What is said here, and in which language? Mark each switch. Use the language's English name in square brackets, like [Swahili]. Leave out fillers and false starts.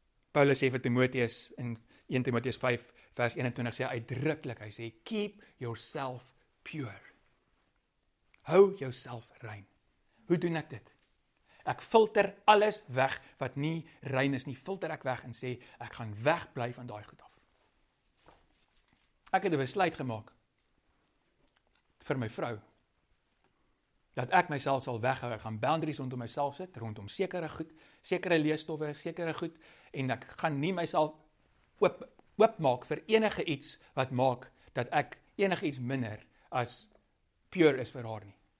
[Afrikaans] Paulus sê vir Timoteus in 1 Timoteus 5 vers 21 sê uitdruklik, hy sê, [English] keep yourself pure. [Afrikaans] Hou jouself rein. Hoe doen ek dit? Ek filter alles weg wat nie rein is nie. Filter ek weg en sê, ek gaan wegbly van daai goed af. Ek het 'n besluit gemaak vir my vrou dat ek myself sal weghou. Ek gaan boundaries rondom myself sit, rondom sekere goed, sekere leestowwe, sekere goed, en ek gaan nie myself oopmaak vir enige iets wat maak dat ek enige iets minder as pure is vir haar nie.